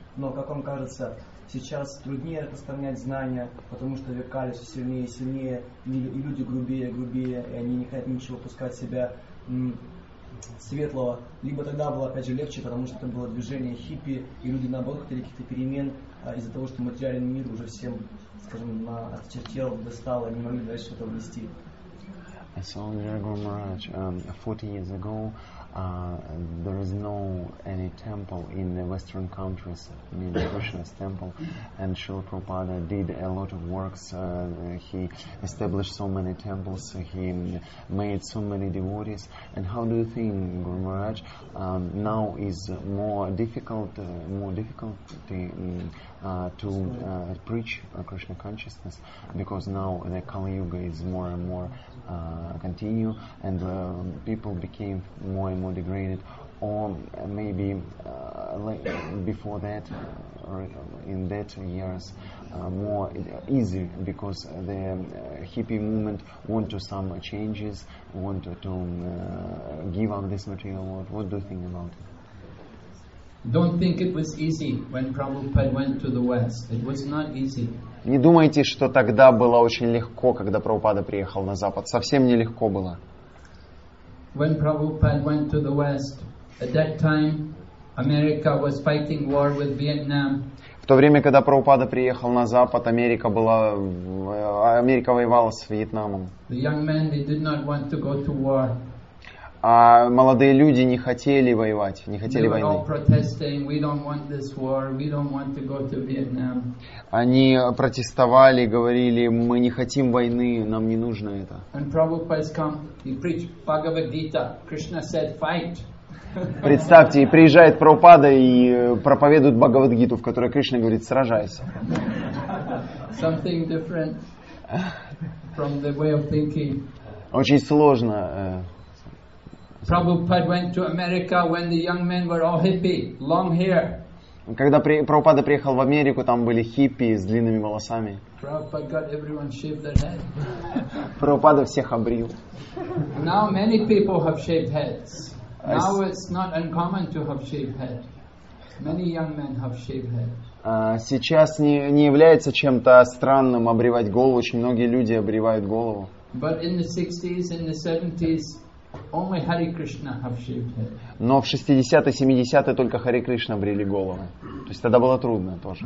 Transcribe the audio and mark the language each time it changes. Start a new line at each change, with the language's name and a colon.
Russian: Но, как вам кажется, сейчас труднее распространять знания, потому что век Кали все сильнее и сильнее, и люди грубее и грубее, и они не хотят ничего пускать в себя светлого. Либо тогда было, опять же, легче, потому что это было движение хиппи, и люди, наоборот, хотели каких-то перемен из-за того, что материальный мир уже всем,
English: So, Dear Guru Maharaj, 40 years ago, there is no any temple in the Western countries, in the Krishna's temple, and Srila Prabhupada did a lot of works. He established so many temples, he made so many devotees. And how do you think, Guru Maharaj, now is more difficult to preach Krishna consciousness, because now the Kali Yuga is more and more continue, and people became more and more degraded, or maybe before that, or in that years, more easy, because the hippie movement want to some changes, want to give up this material world. What do you think about it? Don't think it was easy when Prabhupada went to the West. It was not easy.
Russian: Не думайте, что тогда было очень легко, когда Прабхупада приехал на Запад. Совсем не легко было.
English: When Prabhupada went to the West, at that time, America was fighting war with Vietnam.
Russian: В то время, когда Прабхупада приехал на Запад, Америка воевала с Вьетнамом.
English: The young men, they did not want to go to war.
Russian: А молодые люди не хотели воевать, не хотели войны.
English: They were all protesting, we don't want this war, we don't want to go to Vietnam.
Russian: Они протестовали, говорили, мы не хотим войны, нам не нужно это.
English: And Prabhupada's come, he preached Bhagavad Gita. Krishna said, fight.
Russian: Представьте, приезжает Прабхупада и проповедует Бхагавад-гиту, в которой Кришна говорит, сражайся.
English: Something different from the way of thinking.
Russian: Очень сложно.
English: Prabhupada went to America when the young men were all hippie, long hair.
Russian: Когда Прабхупада приехал в Америку, там были хиппи с длинными волосами.
English: Prabhupada got everyone shaved their head.
Russian: Прабхупада всех обрил.
English: Now many people have shaved heads. Now it's not uncommon to have shaved head. Many young men have shaved head.
Russian: Сейчас не является чем-то странным обривать голову. Очень многие люди обривают голову.
English: But in the 60s and the 70s, only Hare Krishna have shaved head.
Russian: Но в 60-е, 70-е только Харе Кришна брили головы. То есть тогда было трудно тоже.